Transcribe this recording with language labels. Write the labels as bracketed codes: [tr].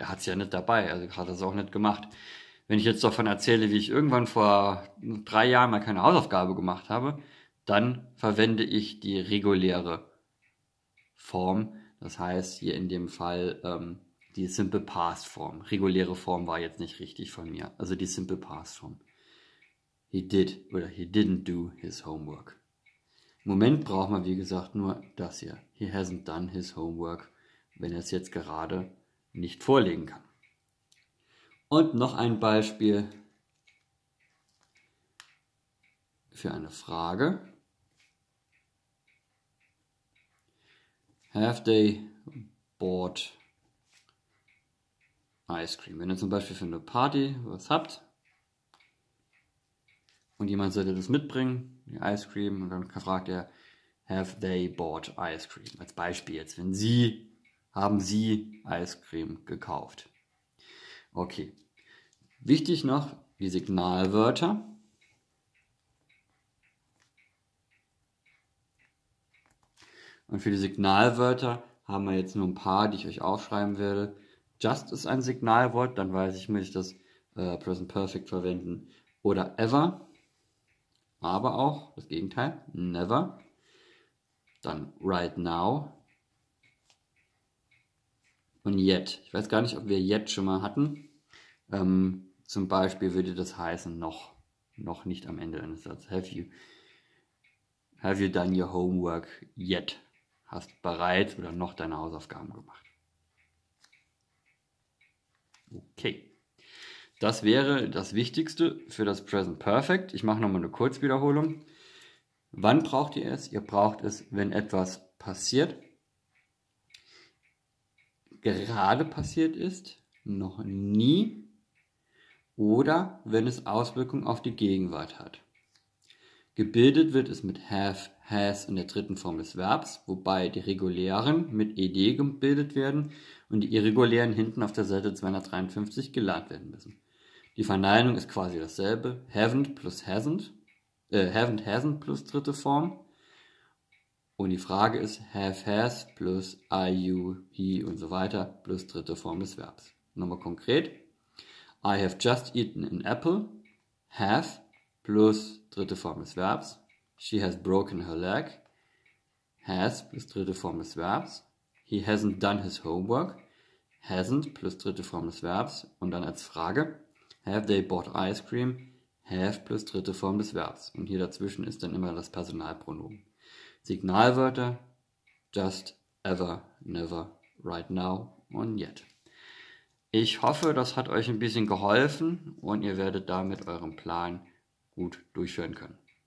[de] Er hat sie ja nicht dabei, also hat er es auch nicht gemacht. Wenn ich jetzt davon erzähle, wie ich irgendwann vor 3 Jahren mal keine Hausaufgabe gemacht habe, dann verwende ich die reguläre Form. Das heißt hier in dem Fall die Simple Past Form. Reguläre Form war jetzt nicht richtig von mir. Also die Simple Past Form. [en] He did oder he didn't do his homework. [de] Im Moment braucht man, wie gesagt, nur das hier. [en] He hasn't done his homework, [de] wenn er es jetzt gerade nicht vorlegen kann. Und noch ein Beispiel für eine Frage. [en] Have they bought ice cream? [de] Wenn ihr zum Beispiel für eine Party was habt und jemand sollte das mitbringen, die Ice Cream, und dann fragt er, [en] have they bought ice cream? [de] Als Beispiel jetzt, wenn Sie, haben Sie Ice Cream gekauft? Okay. Wichtig noch die Signalwörter. Und für die Signalwörter haben wir jetzt nur ein paar, die ich euch aufschreiben will. Just ist ein Signalwort, dann weiß ich, muss ich das Present Perfect verwenden. Oder ever. Aber auch das Gegenteil, never. Dann right now. Und yet. Ich weiß gar nicht, ob wir yet schon mal hatten. Zum Beispiel würde das heißen noch. Noch nicht am Ende eines Satzes. [en] Have you done your homework yet? [de] Hast bereits oder noch deine Hausaufgaben gemacht? Okay. Das wäre das Wichtigste für das Present Perfect. Ich mache nochmal eine Kurzwiederholung. Wann braucht ihr es? Ihr braucht es, wenn etwas passiert, gerade passiert ist, noch nie, oder wenn es Auswirkungen auf die Gegenwart hat. Gebildet wird es mit have, has in der dritten Form des Verbs, wobei die regulären mit ed gebildet werden und die irregulären hinten auf der Seite 253 geladen werden müssen. Die Verneinung ist quasi dasselbe. [en] Haven't plus hasn't. [de] Haven't hasn't plus dritte Form. Und die Frage ist have has plus are you he und so weiter plus dritte Form des Verbs. Nochmal konkret. [en] I have just eaten an apple. [de] Have plus dritte Form des Verbs. [en] She has broken her leg. [de] Has plus dritte Form des Verbs. [en] He hasn't done his homework. [de] Hasn't plus dritte Form des Verbs. Und dann als Frage. [en] Have they bought ice cream? [de] Have plus dritte Form des Verbs. Und hier dazwischen ist dann immer das Personalpronomen. Signalwörter. [en] Just, ever, never, right now und yet. [de] Ich hoffe, das hat euch ein bisschen geholfen und ihr werdet damit euren Plan gut durchführen können.